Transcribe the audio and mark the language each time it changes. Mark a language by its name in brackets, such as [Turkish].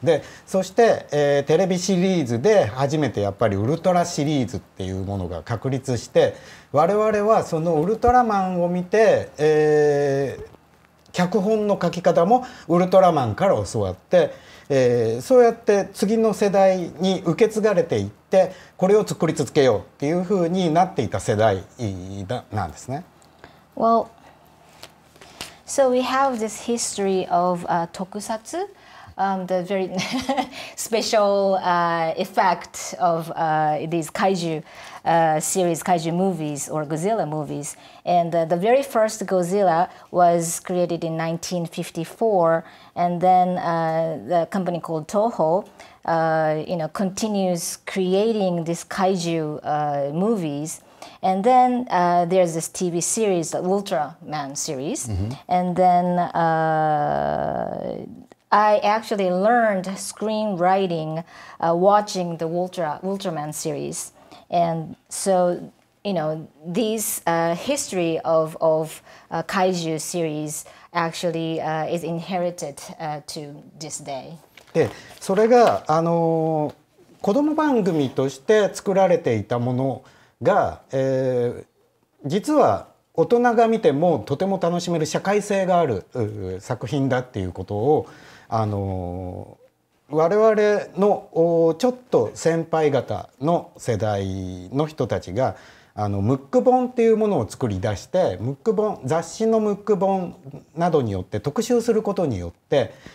[Japanese] でそして、テレビシリーズで初めてやっぱりウルトラシリーズっていうものが確立して、我々はそのウルトラマンを見て、脚本の書き方もウルトラマンから教わって、そうやって次の世代に受け継がれていって、これを作り続けようっていうふうになっていた世代なんですね。 [English] WellSo we have this history of tokusatsu, the very special effect of these kaiju series, kaiju movies or Godzilla movies. And the very first Godzilla was created in 1954. And then the company called Toho, you know, continues creating these kaiju movies. And then there's this TV series, the Ultraman series. Mm-hmm. And then I actually learned screenwriting watching the Ultraman series. And so, you know, this history of kaiju series actually is inherited to this day. [Japanese] それが子供番組として作られていたものが、実は大人が見てもとても楽しめる社会性がある作品だっていうことを、我々のちょっと先輩方の世代の人たちがムック本っていうものを作り出して、ムック本、雑誌のムック本などによって特集することによって、